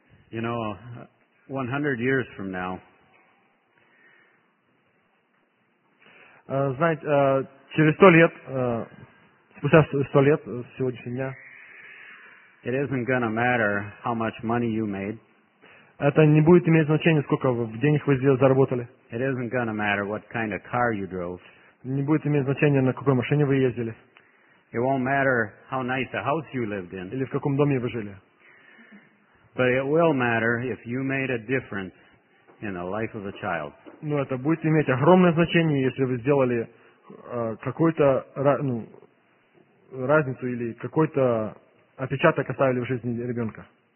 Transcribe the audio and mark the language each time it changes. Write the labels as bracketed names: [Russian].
[English] You know, 100 years from now, [Russian] знаете, через 100 лет, спустя 100 лет с сегодняшнего дня, [English] it isn't gonna matter how much money you made. [Russian] Это не будет иметь значения, сколько денег вы заработали. [English] It isn't gonna matter what kind of car you drove. [Russian] Не будет иметь значения, на какой машине вы ездили. [English] It won't matter how nice a house you lived in. [Russian] Или в каком доме вы жили. [English] But it will matter if you made a difference in the life of a child. [Russian] Но это будет иметь огромное значение, если вы сделали какую-то разницу или какой-то отпечаток оставили в жизни ребенка.